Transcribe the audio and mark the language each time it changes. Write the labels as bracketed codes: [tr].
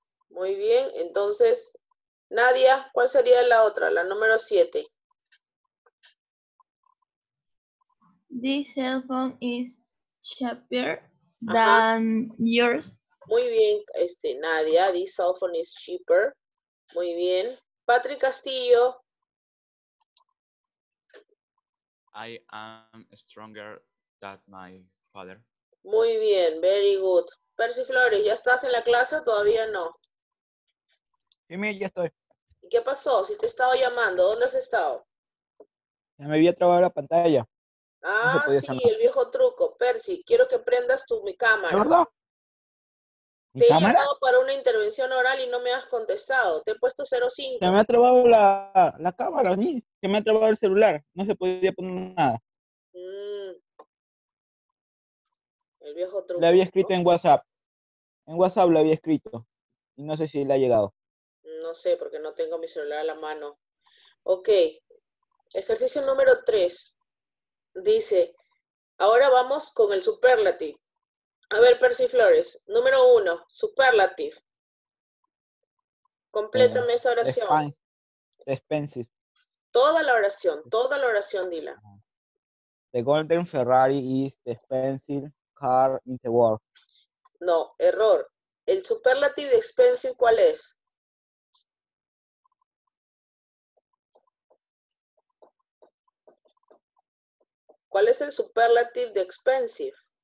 [es] Muy bien, entonces, Nadia, ¿cuál sería la otra, la número 7? [en] This cell phone is cheaper than yours. [es] Muy bien, Nadia, [en] this cell phone is cheaper. [es] Muy bien. Patrick Castillo. [en] I am stronger than my father. [es] Muy bien, [en] very good. [es] Percy Flores, ¿ya estás en la clase o todavía no? Dime, ya estoy. ¿Y qué pasó? Si te he estado llamando, ¿dónde has estado? Ya me había trabado la pantalla. Ah, no sí, llamar. El viejo truco. Percy, quiero que prendas mi cámara. ¿Verdad? ¿Mi te cámara? He llamado para una intervención oral y no me has contestado. Te he puesto 05. Se me ha trabado la cámara, ¿sí? Se me ha trabado el celular. No se podía poner nada. El viejo truco. Le había escrito, ¿no?, en WhatsApp. En WhatsApp le había escrito. Y no sé si le ha llegado. No sé, porque no tengo mi celular a la mano. Ok. Ejercicio número 3. Dice, ahora vamos con el superlative. A ver, Percy Flores. Número 1, superlative. Complétame esa oración. Expensive. Toda la oración, dila. [en] The golden Ferrari is the expensive car in the world. [es] No, error. El superlative de expensive, ¿cuál es? ¿Cuál es el superlative de expensive?